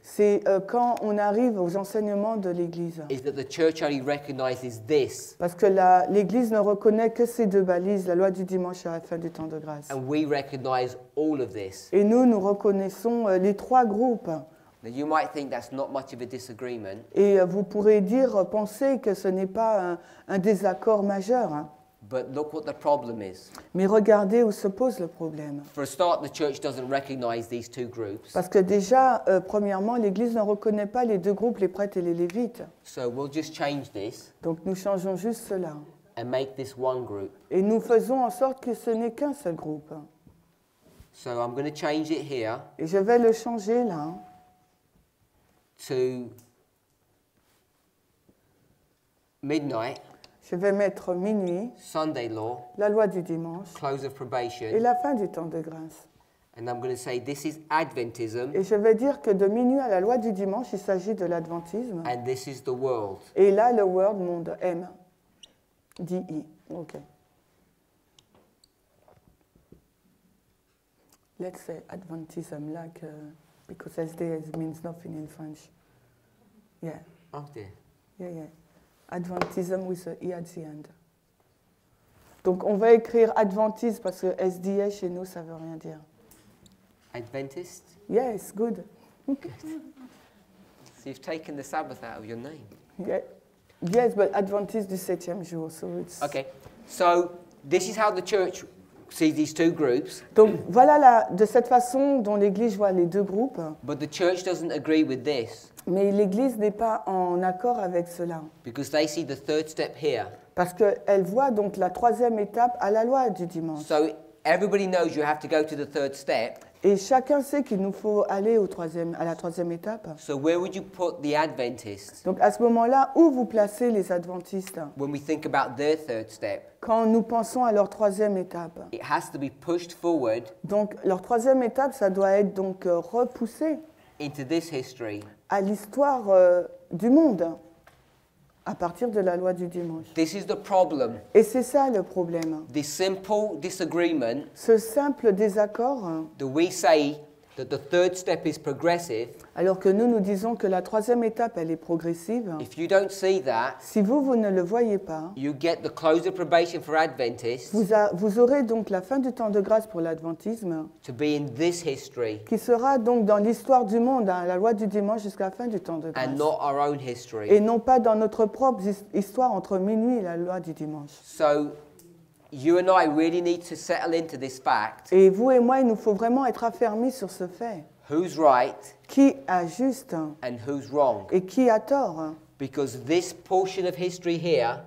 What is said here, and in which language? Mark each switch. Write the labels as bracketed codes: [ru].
[fr] C'est quand on arrive aux enseignements de l'Église. [en] Is that the church only recognizes this? [fr] Parce que l'Église ne reconnaît que ces deux balises, la loi du dimanche et la fin du temps de grâce. [en] And we recognize all of this. [fr] Et nous reconnaissons les trois groupes. [en] Now you might think that's not much of a disagreement. [fr] Et vous pourrez penser que ce n'est pas un désaccord majeur. [en] But look what the problem is. [fr] Mais regardez où se pose le problème. [en] For a start, the church doesn't recognize these two groups. [fr] Parce que déjà, premièrement, l'Église ne reconnaît pas les deux groupes, les prêtres et les lévites. [en] So we'll just change this. [fr] Donc nous changeons juste cela. [en] And make this one group. [fr] Et nous faisons en sorte que ce n'est qu'un seul groupe. [en] So I'm going to change it here. [fr] Et je vais le changer là. [en] To midnight. [fr] Je vais mettre minuit, [en] Sunday law, [fr] la loi du dimanche, [en] close of probation, [fr] et la fin du temps de grâce. [en] And I'm going to say this is Adventism. [fr] Et je vais dire que de minuit à la loi du dimanche, il s'agit de l'adventisme. [en] And this is the world. [fr] Et là, le world, monde, M. D-E. OK. [en] Let's say Adventism, like, because SDS means nothing in French. Yeah. Oh dear. Yeah, yeah. Adventism with an E at the end. [fr] Donc on va écrire Adventist parce que SDS chez nous, ça veut rien dire. [en] Adventist? Yes, good. So you've taken the Sabbath out of your name. Yeah. Yes, but Adventist [fr] du septième jour, [en] so it's... Okay, so this is how the church... See these two groups. [fr] Donc voilà la, de cette façon dont l'Église voit les deux groupes. [en] But the church doesn't agree with this. [fr] Mais l'Église n'est pas en accord avec cela. [en] Because they see the third step here. [fr] Parce qu'elle voit donc la troisième étape à la loi du dimanche. [en] So everybody knows you have to go to the third step. [fr] Et chacun sait qu'il nous faut aller au troisième, à la troisième étape. [en] So where would you put the Adventists? [fr] Donc à ce moment-là, où vous placez les Adventistes? [en] When we think about their third step. [fr] Quand nous pensons à leur troisième étape. [en] It has to be pushed forward. [fr] Donc leur troisième étape, ça doit être donc repoussée. [en] Into this history. [fr] À l'histoire du monde. À partir de la loi du dimanche. [en] This is the problem. [fr] Et c'est ça le problème. [en] This simple disagreement. [fr] Ce simple désaccord. [en] That we say that the third step is progressive. [fr] Alors que nous nous disons que la troisième étape elle est progressive. [en] If you don't see that. [fr] Si vous vous ne le voyez pas. [en] You get the close of probation for Adventists. [fr] Vous aurez donc la fin du temps de grâce pour l'adventisme. [en] To be in this history. [fr] Qui sera donc dans l'histoire du monde, hein, la loi du dimanche jusqu'à la fin du temps de grâce. [en] And not our own history. [fr] Et non pas dans notre propre histoire entre minuit et la loi du dimanche. [en] So. You and I really need to settle into this fact. [fr] Et vous et moi, il nous faut vraiment être affermis sur ce fait. [en] Who's right? [fr] Qui a juste? [en] And who's wrong? [fr] Et qui a tort? [en] Because this portion of history here.